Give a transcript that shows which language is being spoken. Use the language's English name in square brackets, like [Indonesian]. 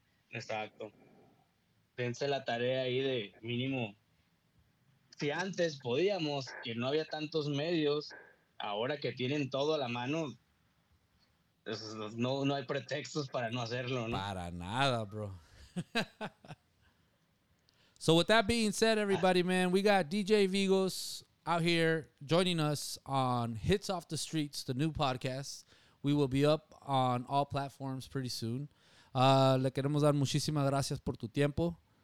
[Spanish] Exacto. Dense la tarea ahí de mínimo. Si antes podíamos, que no había tantos medios, ahora que tienen todo a la mano. No, no hay pretextos para no hacerlo, ¿no? Para nada, bro. [English] So with that being said, everybody, man, we got DJ Vigos out here joining us on Hits Off the Streets, the new podcast. We will be up on all platforms pretty soon. [Spanish] Le queremos dar muchísimas gracias por tu tiempo.